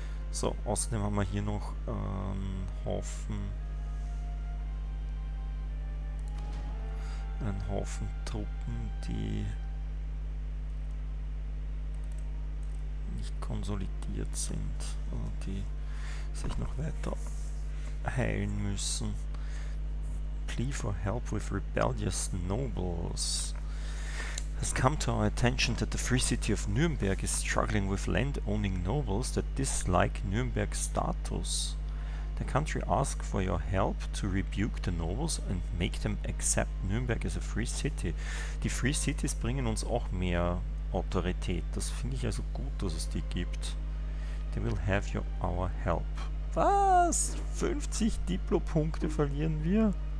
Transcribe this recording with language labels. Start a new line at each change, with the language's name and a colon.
German: So, außerdem haben wir hier noch einen Haufen Truppen, die nicht konsolidiert sind, oder die sich noch weiter heilen müssen.
English: Plea for help with rebellious nobles. Has come to our attention that the free city of Nuremberg is struggling with land-owning nobles that dislike Nuremberg status. The country asks for your help to rebuke the nobles and make them accept Nuremberg as a free city.
German: Die free cities bringen uns auch mehr Autorität. Das finde ich also gut, dass es die gibt.
English: They will have your, our help.
German: Was? 50 Diplo-Punkte verlieren wir?